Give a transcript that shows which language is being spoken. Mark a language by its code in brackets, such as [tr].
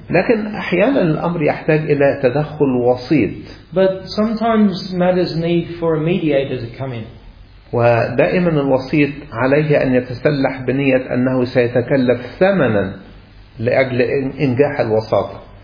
[ar] لكن أحيانا الأمر يحتاج إلى تدخل وسيط. [en] But sometimes matters need for a mediator to come in. [ar] ودائما الوسيط عليه أن يتسلح بنية أنه سيتكلف ثمنا لأجل إنجاح الوساطة.